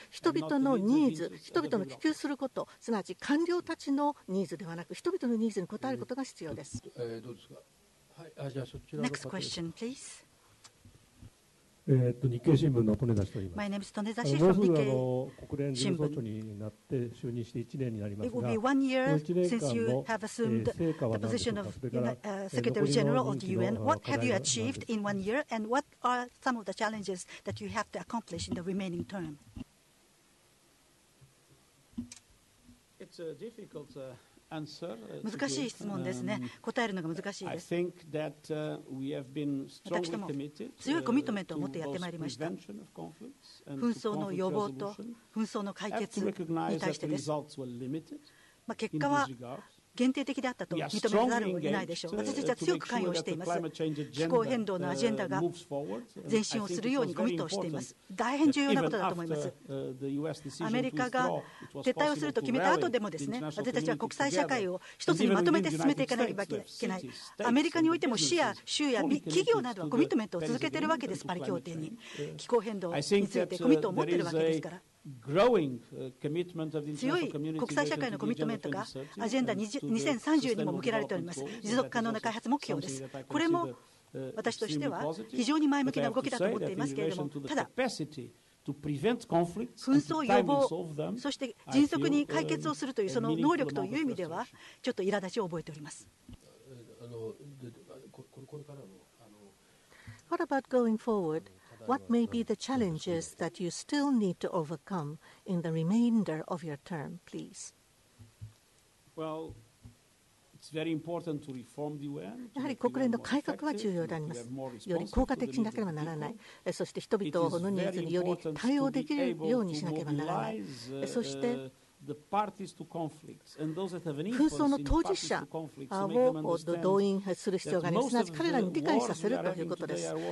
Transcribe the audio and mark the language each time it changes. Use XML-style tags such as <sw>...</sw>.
<ja>人々のニーズ、人々の希求すること、すなわち官僚たちのニーズではなく人々のニーズに応えることが必要です。どうですか、はい、あ、じゃあそちらの</ja> <en>Next question, please.</en> <ja>日経新聞の利根田氏と言います。</ja> <en>My name is Toneda Shi from Nikkei 新聞。</en> <ja>国連事務総長になって就任して1年になりますが、</ja> <en>It will be one year since you have assumed the position of Secretary General of the UN. What have you achieved in one year and what are some of the challenges that you have to accomplish in the remaining term? It's a difficult answer.</en> <ja>難しい質問ですね。答えるのが難しいです。</ja> <en>I think that, we have been strongly committed,</en> <ja>私ども強いコミットメントを持ってやってまいりました。紛争の予防と紛争の解決に対してです。まあ、結果は限定的であったと認めざるを得ないでしょう。私たちは強く関与しています。気候変動のアジェンダが前進をするようにコミットをしています。大変重要なことだと思います。アメリカが撤退をすると決めた後でもですね、私たちは国際社会を一つにまとめて進めていかなければいけない。アメリカにおいても市や州や企業などはコミットメントを続けているわけです。パリ協定に気候変動についてコミットを持っているわけですから、強い国際社会のコミットメントがアジェンダ2030にも向けられております。持続可能な開発目標です。これも私としては非常に前向きな動きだと思っていますけれども、ただ紛争予防、そして迅速に解決をするというその能力という意味ではちょっと苛立ちを覚えております。これからの</ja> <en>What about going forwardWhat may be the challenges that you still need to overcome in the remainder of your term, please? Well, it's very important to reform the UN.</en> <ja>やはり国連の改革は重要であります。より効果的になければならない。そして人々のニーズにより対応できるようにしなければならない。そして紛争の当事者を動員する必要があります。すなわち彼らに理解させるということです。</ja>